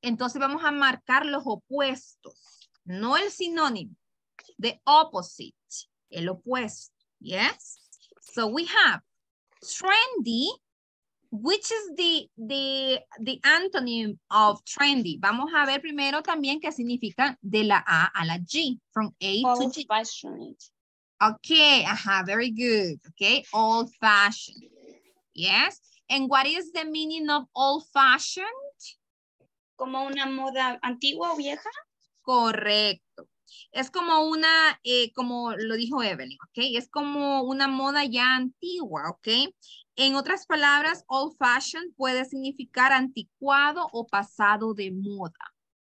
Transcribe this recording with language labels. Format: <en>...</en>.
<es>Entonces vamos a marcar los opuestos. No el sinónimo.</es> <en>The opposite.</en> <es>El opuesto. Yes.</es> <en>So we have trendy, which is the antonym of trendy.</en> <es>Vamos a ver primero también qué significa de la A a la G,</es> <en>from A to G. Old fashioned. Okay, ajá, very good. Okay, old fashioned. Yes, and what is the meaning of old fashioned?</en> <es>Como una moda antigua o vieja. Correcto. Es como una, como lo dijo Evelyn, ¿ok? Es como una moda ya antigua, ¿ok? En otras palabras, old fashioned puede significar anticuado o pasado de moda.</es>